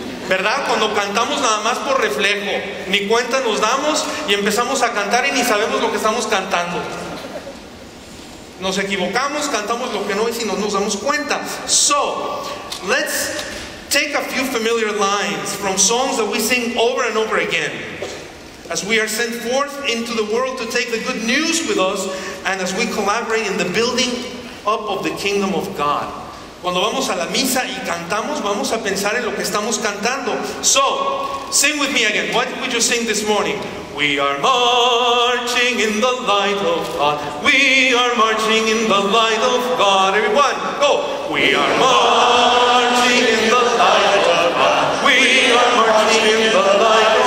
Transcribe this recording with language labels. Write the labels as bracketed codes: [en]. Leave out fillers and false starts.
[es] ¿Verdad? Cuando cantamos nada más por reflejo, ni cuenta nos damos y empezamos a cantar y ni sabemos lo que estamos cantando. Nos equivocamos, cantamos lo que no es y no nos damos cuenta. [en] So, let's take a few familiar lines from songs that we sing over and over again. As we are sent forth into the world to take the good news with us, and as we collaborate in the building up of the kingdom of God. [es] Cuando vamos a la misa y cantamos, vamos a pensar en lo que estamos cantando. [en] So, sing with me again. What did we just sing this morning? We are marching in the light of God. We are marching in the light of God. Everyone, go. We are marching in the light of God. We are marching in the light.